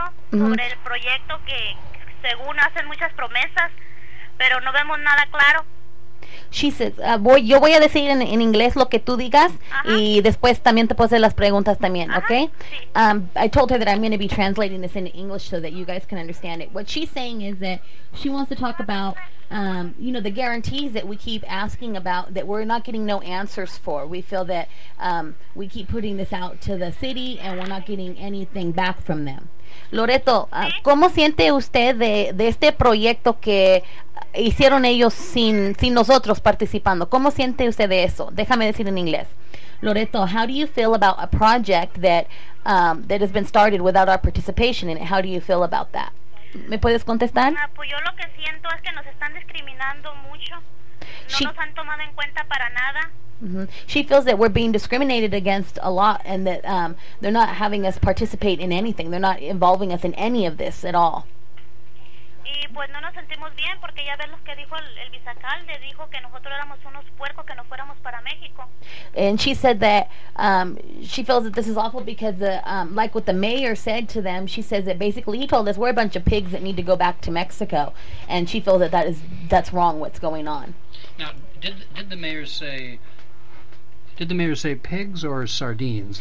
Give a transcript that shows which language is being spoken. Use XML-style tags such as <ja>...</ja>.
<es>Sobre el proyecto que según hacen muchas promesas, pero no vemos nada claro.</es> <en>She says,</en> <es>yo voy a decir en inglés lo que tú digas. Uh-huh. Y después también te puedo hacer las preguntas también. Uh-huh. Okay? Sí.</es> <en>I told her that I'm going to be translating this in English so that you guys can understand it. What she's saying is that she wants to talk about, you know, the guarantees that we keep asking about that we're not getting no answers for. We feel that we keep putting this out to the city and we're not getting anything back from them.</en> <es>Loreto, ¿sí? ¿Cómo siente usted de este proyecto que hicieron ellos sin nosotros participando? ¿Cómo siente usted de eso? Déjame decir en inglés.</es> <en>Loreto, how do you feel about a project that has been started without our participation in it? How do you feel about that?</en> <es>¿Me puedes contestar? Pues yo lo que siento es que nos están discriminando mucho. No nos han tomado en cuenta para nada. Mm-hmm.</es> <en>She feels that we're being discriminated against a lot and that they're not having us participate in anything. They're not involving us in any of this at all.</en> <es>Y pues no nos sentimos bien porque ya ves lo que dijo el vicealcalde, dijo que nosotros éramos unos puercos que no fuéramos para México.</es> <en>And she said that she feels that this is awful because like what the mayor said to them, she says that basically he told us we're a bunch of pigs that need to go back to Mexico, and she feels that's wrong what's going on. Now, did the mayor say pigs or sardines?</en>